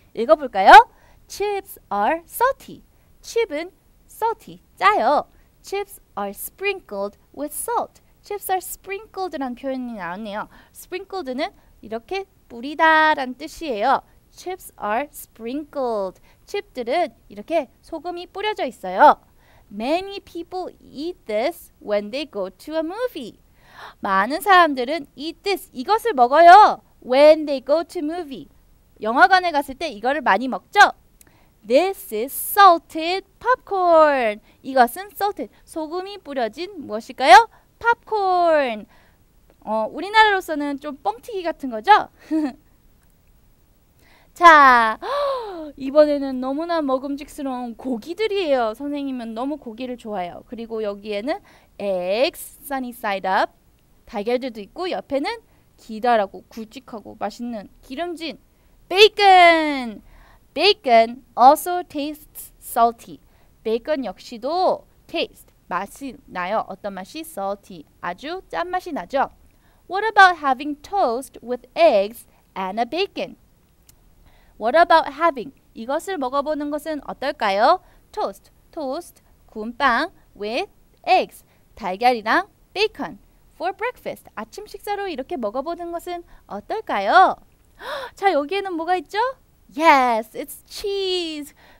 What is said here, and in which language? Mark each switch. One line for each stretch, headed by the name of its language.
Korean: 읽어볼까요?
English: Chips are salty.
Korean: 칩은
English: salty,
Korean: 짜요.
English: Chips are sprinkled with salt. Chips are sprinkled라는
Korean: 표현이 나왔네요. Sprinkled는 이렇게 뿌리다라는 뜻이에요.
English: Chips are sprinkled.
Korean: 칩들은 이렇게 소금이 뿌려져 있어요.
English: Many people eat this when they go to a movie.
Korean: 많은 사람들은
English: eat this,
Korean: 이것을 먹어요.
English: When they go to movie.
Korean: 영화관에 갔을 때 이거를 많이 먹죠. This is salted popcorn. 이것은 salted, 소금이 뿌려진 무엇일까요?
English: Popcorn.
Korean: 우리나라로서는 좀 뻥튀기 같은 거죠? 자, 이번에는 너무나 먹음직스러운 고기들이에요. 선생님은 너무 고기를 좋아해요. 그리고 여기에는
English: eggs, sunny side up,
Korean: 달걀들도 있고 옆에는 기다라고 굵직하고 맛있는 기름진 bacon. Bacon also tastes salty. Bacon 역시도 taste, 맛이 나요. 어떤 맛이? Salty, 아주 짠맛이 나죠.
English: What about having toast with eggs and a bacon? What about having?
Korean: 이것을 먹어보는 것은 어떨까요? Toast, toast, 구운 빵
English: with eggs,
Korean: 달걀이랑 bacon
English: for breakfast,
Korean: 아침 식사로 이렇게 먹어보는 것은 어떨까요? 자, 여기에는 뭐가 있죠?
English: Yes, it's cheese.